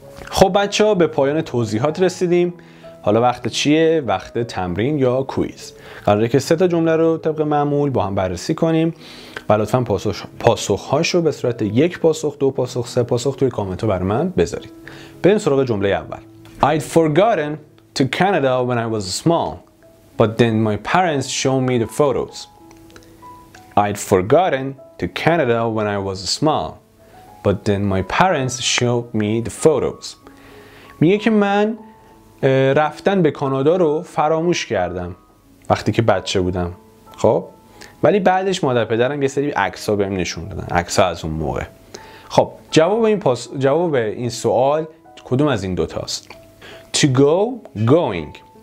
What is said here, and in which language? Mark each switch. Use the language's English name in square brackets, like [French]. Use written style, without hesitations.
[Persian] خب بچه ها به پایان توضیحات رسیدیم. حالا وقت چیه؟ وقت تمرین یا کویز. قراره که سه تا جمله رو طبق معمول با هم بررسی کنیم و لطفاً پاسخ‌هاش رو به صورت یک پاسخ، دو پاسخ، سه پاسخ توی کامنت‌ها برای من بذارید. بریم سراغ جمله اول. [English] I'd forgotten to Canada when I was small, but then my parents showed me the photos. I'd forgotten to Canada when I was small, but then my parents showed me the photos. [Persian] میگه که من رفتن به کانادا رو فراموش کردم وقتی که بچه بودم، خب ولی بعدش مادر پدرم یه سری عکس ها بهم نشون دادن، عکس ها از اون موقع. خب جواب این جواب این سوال کدوم از این دوتاست؟ [English] To go going.